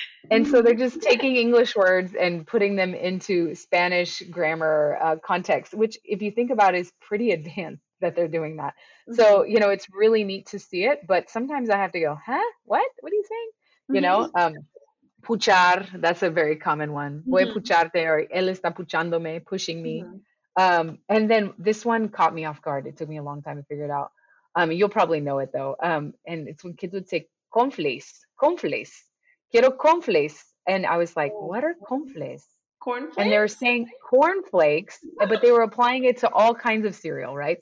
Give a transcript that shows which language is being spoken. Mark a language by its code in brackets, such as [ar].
[en] And so they're just taking English words and putting them into Spanish grammar context, which if you think about it, is pretty advanced that they're doing that. Mm-hmm. So, you know, it's really neat to see it, but sometimes I have to go, huh? What are you saying? Mm-hmm. You know, puchar, that's a very common one. [es] Voy a pucharte, [en] or [es] él está puchándome, [en] pushing me. Mm-hmm. And then this one caught me off guard. It took me a long time to figure it out. You'll probably know it though. And it's when kids would say conflis, conflis, [es] quiero conflis. [en] And I was like, what are conflis? Cornflakes. And they're saying cornflakes, but they were applying it to all kinds of cereal, right?